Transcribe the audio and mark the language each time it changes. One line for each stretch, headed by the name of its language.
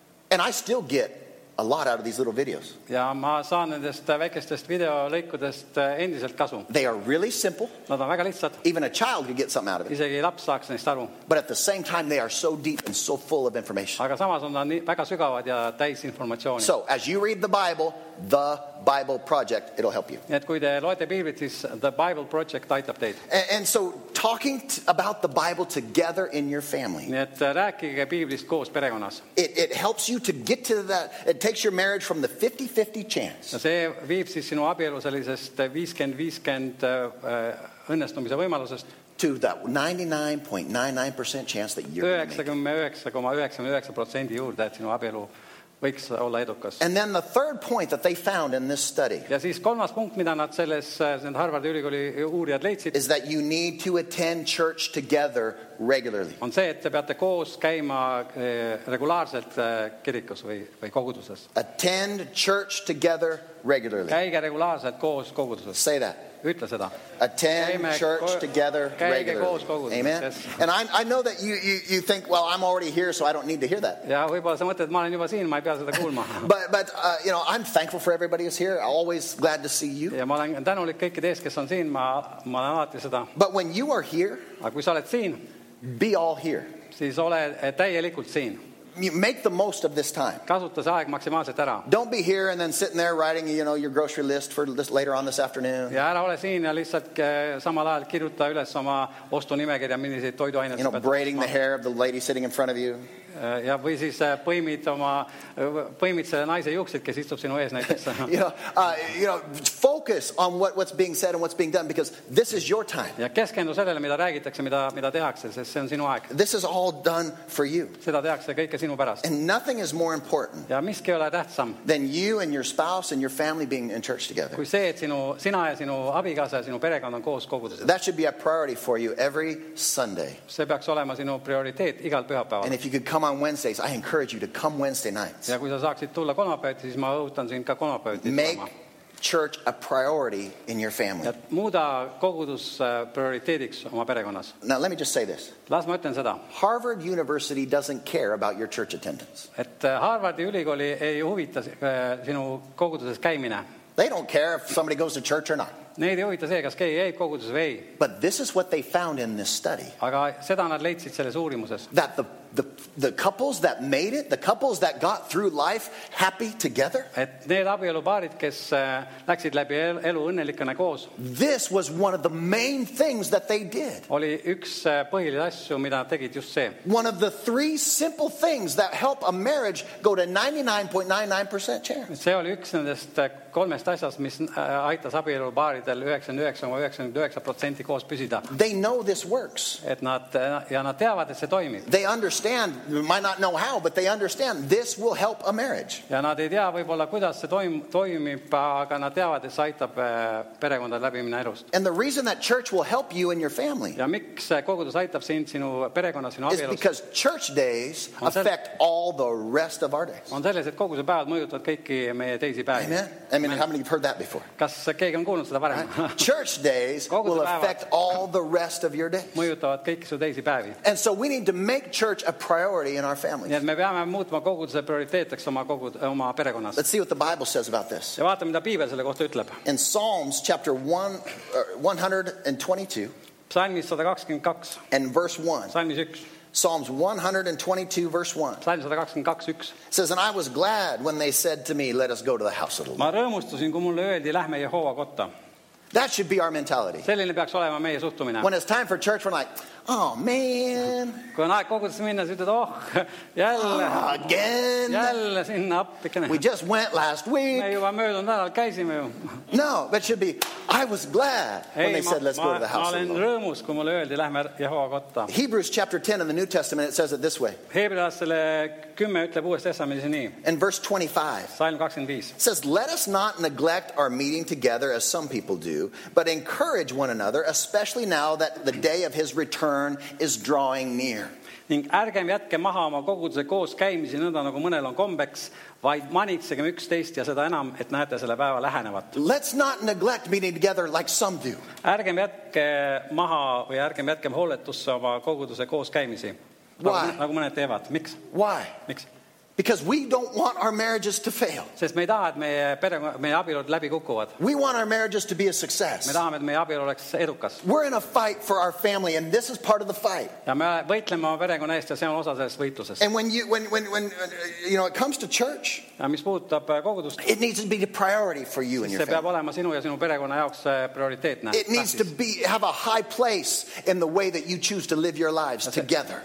English: And I still get a lot out of these little videos.
Estonian: Ja ma saan nendest väikestest videolõikudest endiselt kasu.
English: They are really simple.
Estonian: Nad on väga lihtsad.
English: Even a child can get something out of it.
Estonian: Isegi laps saaks neist aru.
English: But at the same time, they are so deep and so full of information.
Estonian: Aga samas on nad väga sügavad ja täis informatsiooni.
English: So, as you read the Bible Project, it'll help you.
Estonian: Et kui te loete piiblit, siis the Bible Project aitab teid.
English: And so, talking about the Bible together in your family.
Estonian: Et rääkige piiblist koos perekonnas.
English: It helps you to get to that. It takes your marriage from the 50-50 chance.
Estonian: See viib siis sinu abielu sellisest 50-50 õnnestumise võimalusest.
English: To that 99.99% chance that you're going to make.
Estonian: 99.99% juurde, et sinu abielu võiks olla edukas.
English: And then the third point that they found in this study.
Estonian: Ja siis kolmas punkt, mida nad selles Harvardi ülikooli uurijad leidsid.
English: Is that you need to attend church together regularly.
Estonian: On see, et te peate koos käima regulaarselt kirikus või koguduses.
English: Attend church together regularly.
Estonian: Käige regulaarselt koos koguduses.
English: Say that.
Estonian: Ütle seda.
English: Attend church together regularly. Amen. And I know that you think, well, I'm already here, so I don't need to hear that.
Estonian: Ja võibolla sa mõtled, et ma olen juba siin, ma ei pea seda kuulma.
English: But you know, I'm thankful for everybody who's here. I'm always glad to see you.
Estonian: Ja ma olen tänulik kõikide ees, kes on siin. Ma olen alati seda.
English: But when you are here,
Estonian: aga kui sa oled siin,
English: be all here.
Estonian: Siis ole täielikult siin.
English: You make the most of this time.
Estonian: Kasuta see aeg maksimaalselt ära.
English: Don't be here and then sitting there writing, you know, your grocery list for this later on this afternoon.
Estonian: Ja ära ole siin ja lihtsalt samal ajal kirjuta üles oma ostunimekirja, millised toiduained.
English: You know, braiding the hair of the lady sitting in front of you.
Estonian: Ja või siis põimid selle naise juuksed, kes istub sinu ees näiteks.
English: You know, focus on what's being said and what's being done, because this is your time.
Estonian: Ja keskendu sellele, mida räägitakse, mida tehakse, sest see on sinu aeg.
English: This is all done for you.
Estonian: Seda tehakse kõike sinu pärast.
English: And nothing is more important
Estonian: ja miski ole tähtsam
English: than you and your spouse and your family being in church together.
Estonian: Kui see, et sina ja sinu abikaasa ja sinu perekond on koos koguduses.
English: That should be a priority for you every Sunday.
Estonian: See peaks olema sinu prioriteet igal pühapäeval.
English: And if you could come on Wednesdays, I encourage you to come Wednesday nights.
Estonian: Ja kui sa saaksid tulla kolmapäeviti, siis ma õhutan sind ka kolmapäeviti tulema.
English: Make church a priority in your family.
Estonian: Ja muuda kogudus prioriteediks oma perekonnas.
English: Now let me just say this.
Estonian: Las ma ütlen seda.
English: Harvard University doesn't care about your church attendance.
Estonian: Et Harvardi ülikooli ei huvita sinu koguduses käimine.
English: They don't care if somebody goes to church or not.
Estonian: Neid ei huvita see, kas keegi jäi koguduses või ei.
English: But this is what they found in this study.
Estonian: Aga seda nad leidsid selles uurimuses.
English: That the couples that made it, the couples that got through life happy together.
Estonian: Et need abielubaarid, kes läksid läbi elu õnnelikana koos.
English: This was one of the main things that they did.
Estonian: Oli üks põhilisi asju, mida tegid just see.
English: One of the three simple things that help a marriage go to 99.99% chance.
Estonian: See oli üks nendest kolmest asjast, mis aitas abielubaaridel 99.99% koos püsida.
English: They know this works.
Estonian: Et nad ja nad teavad, et see toimib.
English: They understand, might not know how, but they understand this will help a marriage.
Estonian: Ja nad ei tea võibolla, kuidas see toimib, aga nad teavad, et see aitab perekonda läbimine elust.
English: And the reason that church will help you in your family.
Estonian: Ja miks kogudus aitab sinu perekonna, sinu abielust.
English: Is because church days affect all the rest of our days.
Estonian: On selles, et koguduse päevad mõjutavad kõiki meie teisi päevi.
English: Amen. I mean, how many have heard that before?
Estonian: Kas keegi on kuulnud seda varem?
English: Church days will affect all the rest of your days.
Estonian: Mõjutavad kõiki su teisi päevi.
English: And so we need to make church a priority in our families.
Estonian: Me peame muutma koguduse prioriteetaks oma perekonnas.
English: Let's see what the Bible says about this.
Estonian: Ja vaatame, mida piibel selle kohta ütleb.
English: In Psalms chapter 122.
Estonian: Psalmis 122.
English: And verse 1.
Estonian: Psalmis 1.
English: Psalms 122 verse 1.
Estonian: Psalm 122:1.
English: Says, and I was glad when they said to me, let us go to the house of the Lord.
Estonian: Ma rõõmustasin, kui mulle öeldi, lähme Jehova kotta.
English: That should be our mentality.
Estonian: Selline peaks olema meie suhtumine.
English: When it's time for church, we're like, oh man.
Estonian: Kui on aeg kogudusse minna, siis ütled, oh, jälle.
English: Oh, again.
Estonian: Jälle sinna appikene.
English: We just went last week.
Estonian: Me juba möödun nädal käisime ju.
English: No, but it should be, I was glad when they said, let's go to the house of the Lord.
Estonian: Ma olen rõõmus, kui mulle öeldi, lähme Jehova kotta.
English: Hebrews chapter 10 in the New Testament, it says it this way.
Estonian: Heebreastele 10 ütleb uues testamentis nii.
English: In verse 25.
Estonian: Salm 25.
English: It says, let us not neglect our meeting together as some people do, but encourage one another, especially now that the day of his return is drawing near.
Estonian: Ning ärgem jätke maha oma koguduse koos käimisi nõnda nagu mõnel on kombeks, vaid manitsegem üksteist ja seda enam, et näete selle päeva lähenevat.
English: Let's not neglect meeting together like some do.
Estonian: Ärgem jätke maha või ärgem jätkem hooletusse oma koguduse koos käimisi.
English: Why?
Estonian: Nagu mõned teevad. Miks?
English: Why?
Estonian: Miks?
English: Because we don't want our marriages to fail.
Estonian: Sest me ei taha, et meie abielud läbi kukuvad.
English: We want our marriages to be a success.
Estonian: Me tahame, et meie abielu oleks edukas.
English: We're in a fight for our family, and this is part of the fight.
Estonian: Ja me võitleme oma perekonna eest ja see on osa sellest võitlusest.
English: And when it comes to church,
Estonian: ja mis puhutab kogudust,
English: it needs to be the priority for you and your family.
Estonian: See peab olema sinu ja sinu perekonna jaoks prioriteetne.
English: It needs to be have a high place in the way that you choose to live your lives together.